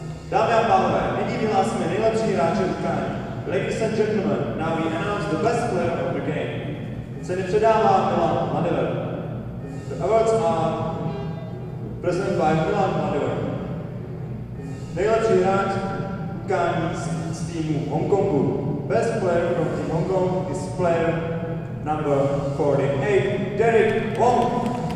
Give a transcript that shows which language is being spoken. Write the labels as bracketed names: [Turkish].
[Czech] Dámy a pánové, nyní vyhlásíme nejlepší hráče utkání. [English] Ladies and gentlemen, now we announce the best player of the game. [Czech] Ceny předává Milan Mandeler. [English] The awards are presented by Milan Mandeler. [Czech] Nejlepší hráč utkání z týmu Hongkongu. [English] Best player from team Hong Kong is player number 48, Derek Wong.